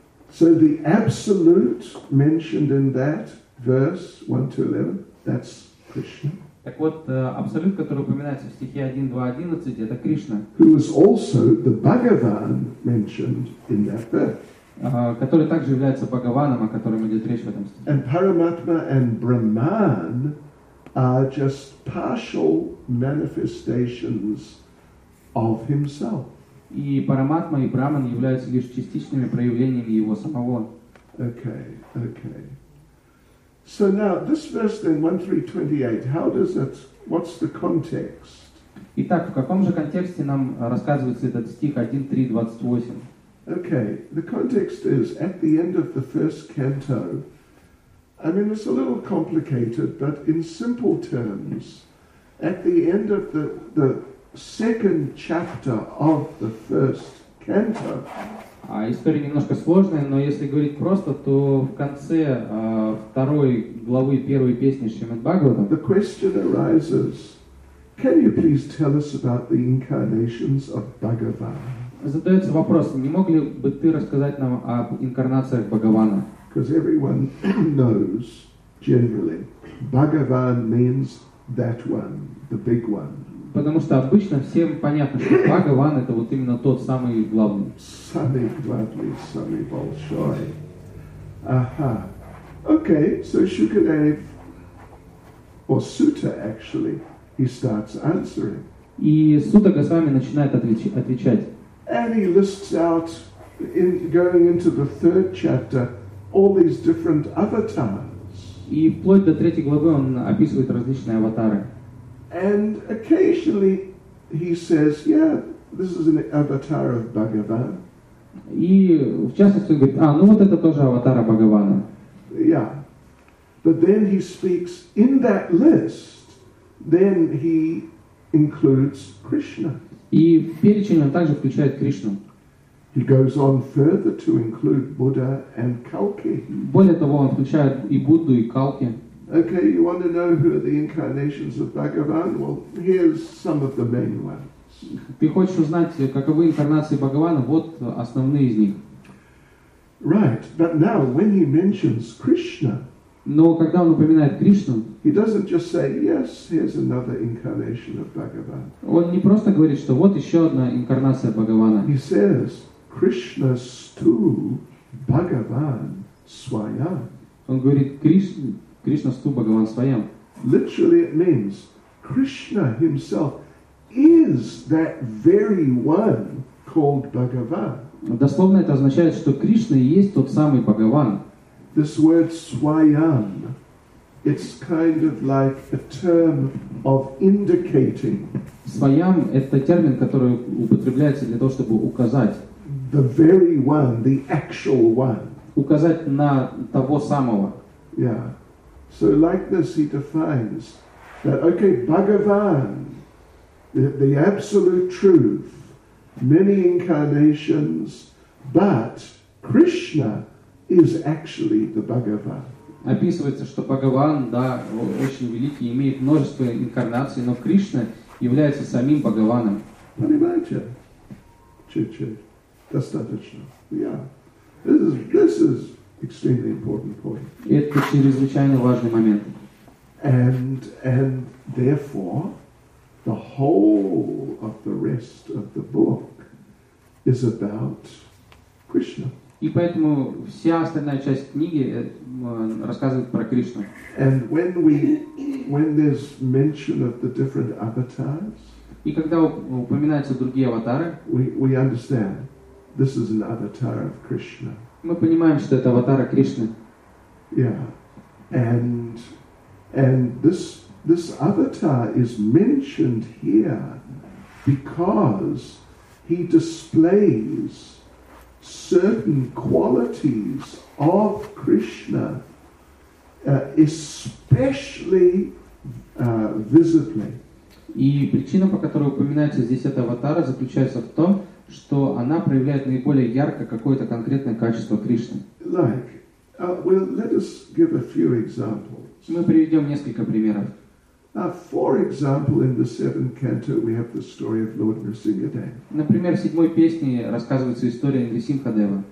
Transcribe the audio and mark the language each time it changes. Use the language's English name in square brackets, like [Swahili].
[English] So the absolute mentioned in that verse 1-11, that's Krishna. [Russian] Так вот, абсолют, который упоминается в стихе 1.2.11, это Кришна. [English] Who was also the Bhagavan mentioned in that verse. [Russian] Который также является Бхагаваном, о котором идет речь в этом стихе. [English] And Paramatma and Brahman are just partial manifestations of himself. [Russian] И Параматма и Браман являются лишь частичными проявлениями его самого. [English] Okay. So now this verse then 1.3.28, how does it, what's the context? [Russian] Итак, в каком же контексте нам рассказывается этот стих 1.3.28? [English] Okay, the context is at the end of the first canto. I mean, it's a little complicated, but in simple terms, at the end of the second chapter of the first canto. [Russian] История немножко сложная, но если говорить просто, то в конце второй главы первой песни Шримад-Бхагаватам. [English] The question arises: Can you please tell us about the incarnations of Bhagavan? [Russian] Задается вопрос: не мог ли бы ты рассказать нам об инкарнациях Бхагавана? [English] Because everyone knows generally, Bhagavan means that one, the big one. [Russian] Потому что обычно всем понятно, что Бхагаван это вот именно тот самый главный. Самый главный, самый большой. [English] Ага. Okay, so Shukadev, or Suta actually, he starts answering. [Russian] И Сута Госвами начинает отвечать. [English] And he lists out, going into the third chapter, all these different avatars. [Russian] И вплоть до третьей главы он описывает различные аватары. [English] And occasionally he says, yeah, this is an avatar of Bhagavan. [Russian] И в частности он говорит, ну вот это тоже аватар Бхагавана. [English] Yeah. But then he speaks in that list, then he includes Krishna. [Russian] И в перечень он также включает Кришну. [English] He goes on further to include Buddha and Kalki. [Russian] Более того, он включает и Будду, и Калки. [English] Okay, you want to know who are the incarnations of Bhagavan? Well, here's some of the main ones. [Russian] Ты хочешь узнать, каковы инкарнации Бхагавана? Вот основные из них. [English] Right, but now when he mentions Krishna, [Russian] но когда он упоминает Кришну, [English] he doesn't just say, yes, here's another incarnation of Bhagavan. [Russian] Он не просто говорит, что вот еще одна инкарнация Бхагавана. [English] He says, [Sanskrit] Krishna stu Bhagavan swayam. [Russian] Он говорит, Кришна. [Sanskrit] Кришна сту Бхагаван своим. [English] Literally it means Krishna himself is that very one called Bhagavan. [Russian] Дословно это означает, что Кришна и есть тот самый Бхагаван. [English] This word swayam, it's kind of like a term of indicating. [Russian] Swayam это термин, который употребляется для того, чтобы указать. [English] The very one, the actual one. [Russian] Указать на того самого. [English] Yeah. So like this he defines that okay Bhagavan the absolute truth many incarnations but Krishna is actually the Bhagavan. [Russian] Описывается, что Бхагаван, да, очень великий, имеет множество инкарнаций, но Кришна является самим Бхагаваном. Понимаете? Чуть-чуть. Достаточно. Yeah. [English] This is extremely important point. [Russian] Это чрезвычайно важный момент. [English] And therefore, the whole of the rest of the book is about Krishna. [Russian] И поэтому вся остальная часть книги рассказывает про Кришну. [English] And when there's mention of the different avatars, [Russian] и когда упоминаются другие аватары, [English] we understand this is an avatar of Krishna. [Russian] Мы понимаем, что это аватара Кришны. [English] Yeah. And this avatar is mentioned here because he displays certain qualities of Krishna especially visibly. [Russian] И причина, по которой упоминается здесь эта аватара, заключается в том, что она проявляет наиболее ярко какое-то конкретное качество Кришны. Мы приведем несколько примеров. Например, в седьмой песне рассказывается история Нрисимхадева.